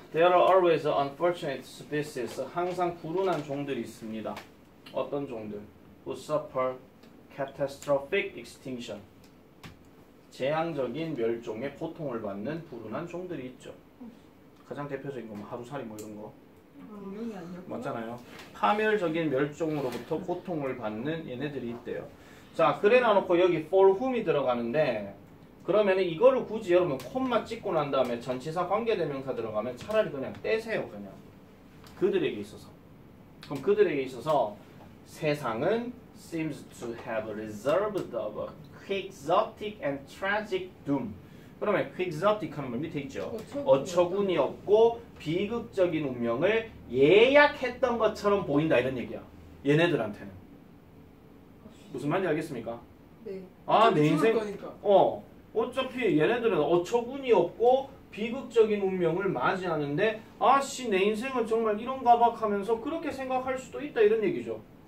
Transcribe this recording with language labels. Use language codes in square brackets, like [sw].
[en] There are always unfortunate species. [ko] 항상 불운한 종들이 있습니다. 어떤 종들? [en] Who suffer catastrophic extinction. [ko] 재앙적인 멸종에 고통을 받는 불운한 종들이 있죠. 가장 대표적인 거 뭐 하루살이 뭐 이런 거. 맞잖아요. 파멸적인 멸종으로부터 고통을 받는 얘네들이 있대요. 자, 그래놔놓고 여기 for whom이 들어가는데 그러면은 이거를 굳이 여러분 콤마 찍고 난 다음에 전치사 관계대명사 들어가면 차라리 그냥 떼세요. 그냥 그들에게 있어서. 그럼 그들에게 있어서 세상은 [en] seems to have reserved of a quixotic and tragic doom. [ko] 그러면 quixotic 하는 말 밑에 있죠. 어처구니 없고 비극적인 운명을 예약했던 것처럼 보인다 이런 얘기야. 얘네들한테는 무슨 말인지 알겠습니까? 네. 아, 내 인생 어차피 얘네들은 어처구니 없고 비극적인 운명을 맞이하는데 아씨 내 인생은 정말 이런가 봐 하면서 그렇게 생각할 수도 있다 이런 얘기죠.